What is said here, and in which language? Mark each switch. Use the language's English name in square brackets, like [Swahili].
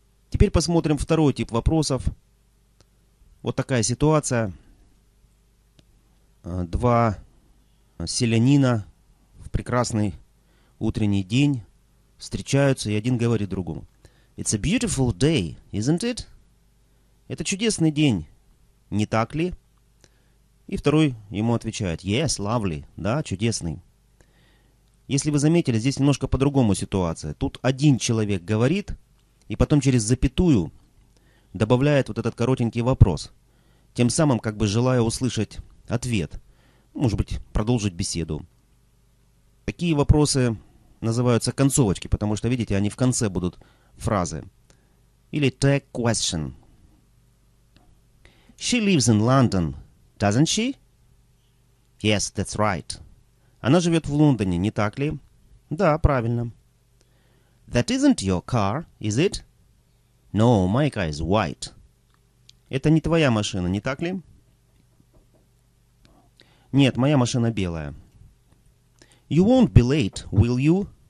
[Russian] Теперь посмотрим второй тип вопросов. Вот такая ситуация. Два селянина в прекрасный утренний день встречаются, и один говорит другому. [English] It's a beautiful day, isn't it? [Russian] Это чудесный день, не так ли? И второй ему отвечает. [English] Yes, lovely. [Russian] Да, чудесный. Если вы заметили, здесь немножко по-другому ситуация. Тут один человек говорит, и потом через запятую добавляет вот этот коротенький вопрос, тем самым как бы желая услышать ответ, может быть, продолжить беседу. Такие вопросы называются концовочки, потому что, видите, они в конце будут фразы. Или tag question. [English] She lives in London, doesn't she? Yes, that's right. [Russian] Она живет в Лондоне, не так ли? Да, правильно. [English] That isn't your car, is it? No, my car is white. [Russian] Это не твоя машина, не так ли? Нет, моя машина белая. [English] You won't be late, will you?